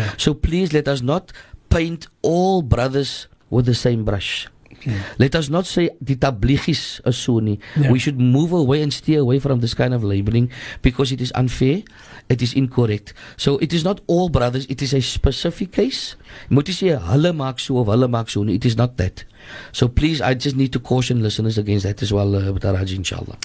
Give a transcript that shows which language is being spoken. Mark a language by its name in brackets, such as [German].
[English] So please let us not paint all brothers with the same brush. Let us not say [Afrikaans] die tabligh is so nie. [English] We should move away and steer away from this kind of labeling, because it is unfair. It is incorrect. So it is not all brothers. It is a specific case. [Afrikaans] Moet jy sê hulle maak so of hulle maak so nie. [English] It is not that. So please, I just need to caution listeners against that as well, Butaraj, inshallah.